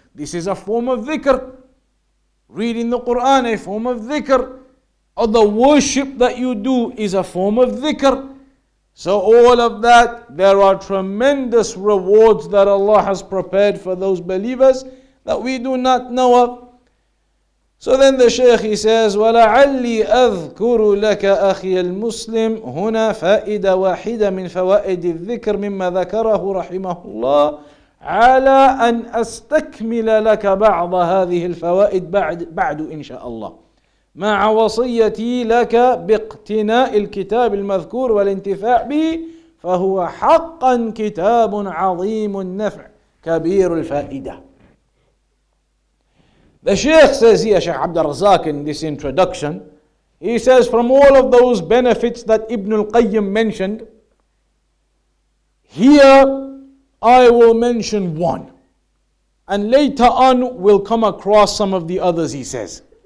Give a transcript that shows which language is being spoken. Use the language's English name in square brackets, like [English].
[English] This is a form of dhikr. Reading the Quran, a form of dhikr. Or the worship that you do is a form of dhikr. So all of that, there are tremendous rewards that Allah has prepared for those believers that we do not know of. So then the Shaykh, he says, [Arabic] وَلَعَلِّي أَذْكُرُ لَكَ أَخِيَ الْمُسْلِمِ هُنَا فَائِدَ وَاحِدَ مِنْ فَوَائِدِ الذِّكْرِ مِمَّا ذَكَرَهُ رَحِمَهُ اللَّهِ عَلَىٰ أَنْ أَسْتَكْمِلَ لَكَ بَعْضَ هَذِهِ الْفَوَائِدِ بَعْدُ إِنْ شَاءَ اللَّهِ مع وصيتي لك باقتناء الكتاب المذكور والانتفاع به فهو حقا كتاب عظيم النفع كبير الفائدة. [English] The Shaykh says here, Shaykh Abd al-Razzaq, in this introduction, he says, from all of those benefits that Ibn al-Qayyim mentioned, here I will mention one. And later on we'll come across some of the others, he says.